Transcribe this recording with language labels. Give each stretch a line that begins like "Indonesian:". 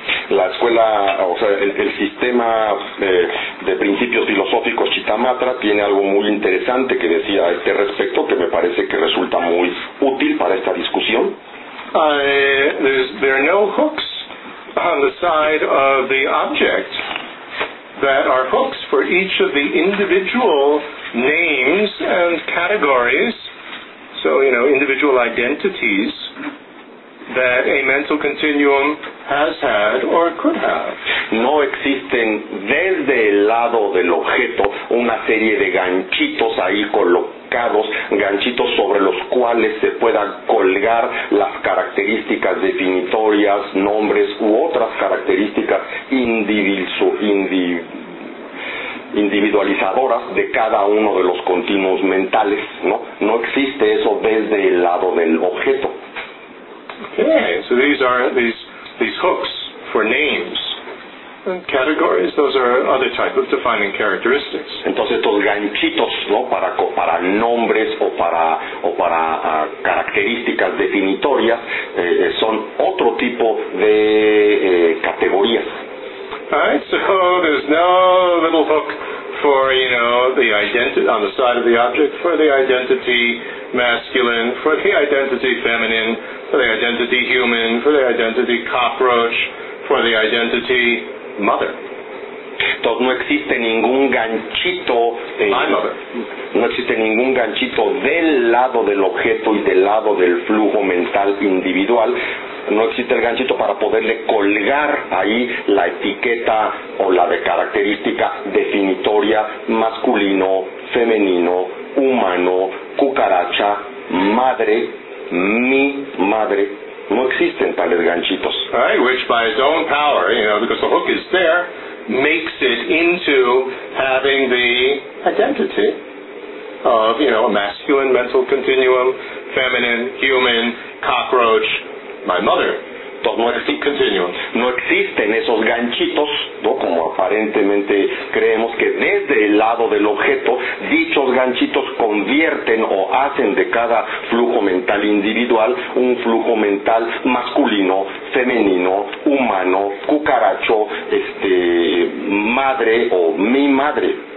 Spanish: La escuela, o sea, el sistema de principios filosóficos Chittamatra tiene algo muy interesante que decir a este respecto que me parece que resulta muy útil para esta discusión.
English: There are no hooks on the side of the object that are hooks for each of the individual names and categories, so, you know, individual identities that a mental continuum has had or could have.
Spanish: No existen desde el lado del objeto una serie de ganchitos ahí colocados, ganchitos sobre los cuales se puedan colgar las características definitorias, nombres u otras características individualizadoras de cada uno de los continuos mentales, ¿no? No existe eso desde el lado del objeto.
English: Okay, so these hooks for names and categories, those are other type of defining characteristics.
Spanish: Entonces estos ganchitos, ¿no? Para nombres o para características definitorias son otro tipo de categorías.
English: Alright, so there's no little hook for, you know, the identity on the side of the object for the identity masculine, for the identity feminine, for the identity human, for the identity cockroach, for the identity mother.
Spanish: Entonces no existe ningún ganchito no existe ningún ganchito del lado del objeto y del lado del flujo mental individual. No existe el ganchito para poderle colgar ahí la etiqueta o la de característica definitoria masculino, femenino, humano, cucaracha, madre, mi madre. No existen tales ganchitos.
English: Right, which by its own power, you know, because the hook is there, makes it into having the identity of, you know, a masculine mental continuum, feminine, human, cockroach, my mother.
Spanish: No existen esos ganchitos, ¿no? Como aparentemente creemos que desde el lado del objeto, dichos ganchitos convierten o hacen de cada flujo mental individual un flujo mental masculino, femenino, humano, cucaracho, madre o mi madre.